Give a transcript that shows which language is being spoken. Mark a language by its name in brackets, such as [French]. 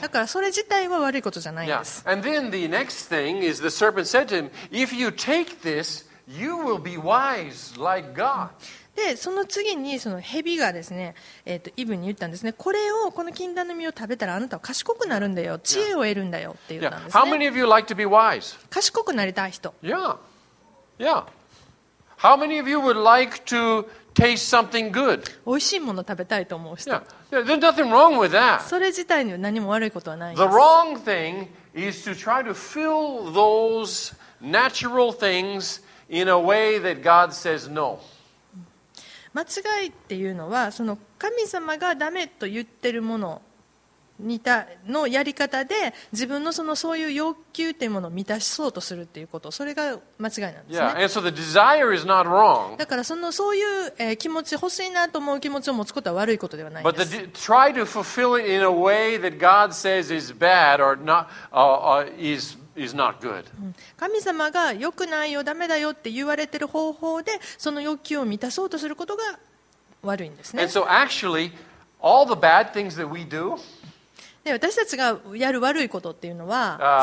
[Japanese] だからそれ自体は悪いことじゃないんです。 [English] Yeah. And then the next thing is the serpent said to him, if you take this, you will be wise like God. [Japanese] で、その次にその蛇がですね、イブに言ったんですね。これを、この禁断の実を食べたらあなたは賢くなるんだよ。知恵を得るんだよって言ったんですね。 Yeah. [English] How many of you like to be wise? [Japanese] 賢くなりたい人。 Yeah. Yeah. [English] How many of you would like to taste something good. [Japanese] 美味しいもの食べたいと思う人。 Yeah. [English] Yeah, there's nothing wrong with that. [Japanese] それ自体には何も悪いことはないです。 [English] The wrong thing is to try to fill those natural things in a way that God says no. [Japanese] 間違いっていうのは、その神様がダメと言ってるものにたのやり方で自分のそのそういう要求というものを満たしそうとするっていうこと、それが間違いなんですね。 [English] Yeah, and so the desire is not wrong. [Japanese] だからそのそういう、気持ち欲しいなと思う気持ちを持つことは悪いことではないです。 [English] But try to fulfill it in a way that God says is bad or not, is not good. [Japanese] 神様が良くないよ、ダメだよって言われてる方法でその欲求を満たそうとすることが悪いんですね。 [English] And so actually, all the bad things that we do. [Japanese] で私たちがやる悪いことっていうのは